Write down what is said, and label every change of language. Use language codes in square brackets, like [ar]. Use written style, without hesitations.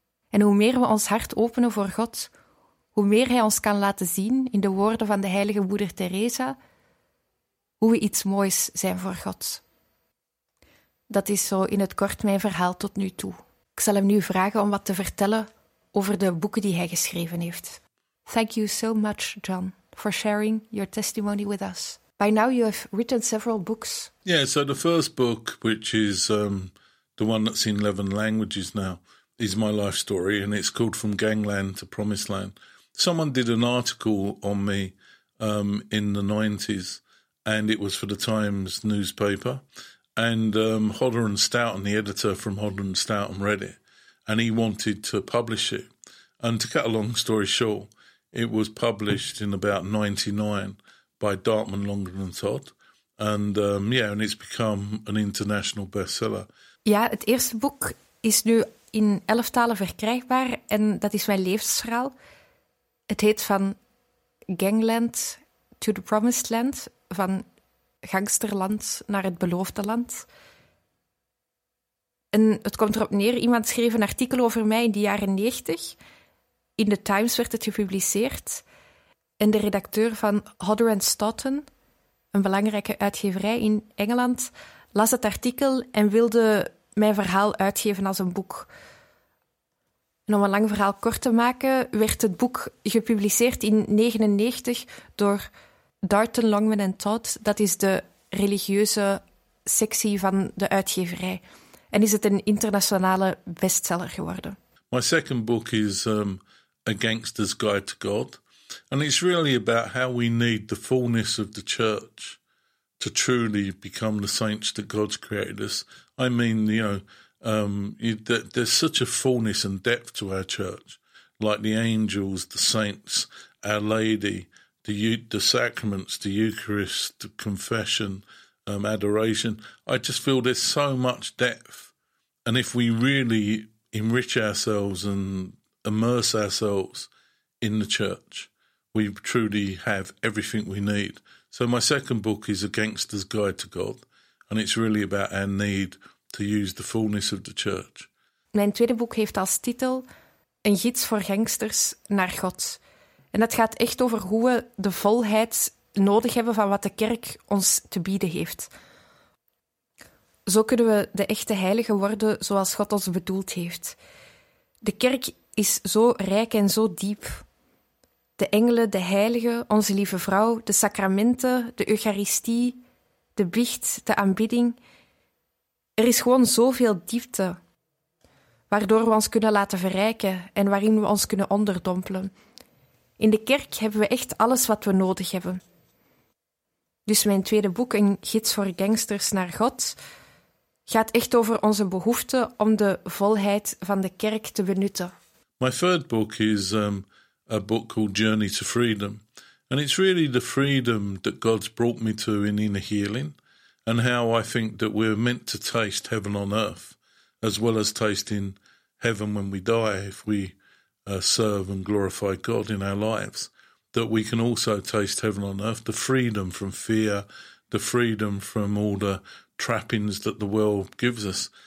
[nl] En hoe meer we ons hart openen voor God, hoe meer hij ons kan laten zien, in de woorden van de heilige moeder Teresa, hoe we iets moois zijn voor God. Dat is zo in het kort mijn verhaal tot nu toe. Ik zal hem nu vragen om wat te vertellen over de boeken die hij geschreven heeft. [en] Thank you so much, John, for sharing your testimony with us. By now you have written several books. Yeah, so the first book, which is the one that's in 11 languages now, is my life story, and it's called From Gangland to Promised Land. Someone did an article on me in the 90s, and it was for the Times newspaper. And Hodder and Stoughton, the editor from Hodder and Stoughton, read it, and he wanted to publish it. And to cut a long story short, it was published in about 99 by Dartman, Longdon and Todd. And yeah, and it's become an international bestseller. [nl] Ja, het eerste boek is nu in 11 talen verkrijgbaar, en dat is mijn levensverhaal. Het heet Van Gangland to the Promised Land, van gangsterland naar het beloofde land. En het komt erop neer, iemand schreef een artikel over mij in de jaren 90. In de Times werd het gepubliceerd. En de redacteur van Hodder & Stoughton, een belangrijke uitgeverij in Engeland, las het artikel en wilde mijn verhaal uitgeven als een boek. En om een lang verhaal kort te maken, werd het boek gepubliceerd in 1999 door Darton, Longman en Todd. Dat is de religieuze sectie van de uitgeverij. En is het een internationale bestseller geworden. [en] My second book is A Gangster's Guide to God. And it's really about how we need the fullness of the church to truly become the saints that God's created us. I mean, you know, there's such a fullness and depth to our church, like the angels, the saints, Our Lady, the sacraments, the Eucharist, the confession, adoration. I just feel there's so much depth. And if we really enrich ourselves and immerse ourselves in the church, we truly have everything we need. So my second book is A Gangster's Guide to God, and it's really about our need to use the fullness of the church. [nl] Mijn tweede boek heeft als titel Een gids voor gangsters naar God. En dat gaat echt over hoe we de volheid nodig hebben van wat de kerk ons te bieden heeft. Zo kunnen we de echte heiligen worden zoals God ons bedoeld heeft. De kerk is zo rijk en zo diep. De engelen, de heiligen, onze lieve vrouw, de sacramenten, de eucharistie, de biecht, de aanbidding. Er is gewoon zoveel diepte, waardoor we ons kunnen laten verrijken en waarin we ons kunnen onderdompelen. In de kerk hebben we echt alles wat we nodig hebben. Dus mijn tweede boek, Een gids voor gangsters naar God, gaat echt over onze behoefte om de volheid van de kerk te benutten. [en] My third book is a book called Journey to Freedom. And it's really the freedom that God's brought me to in inner healing and how I think that we're meant to taste heaven on earth as well as tasting heaven when we die if we serve and glorify God in our lives, that we can also taste heaven on earth, the freedom from fear, the freedom from all the trappings that the world gives us.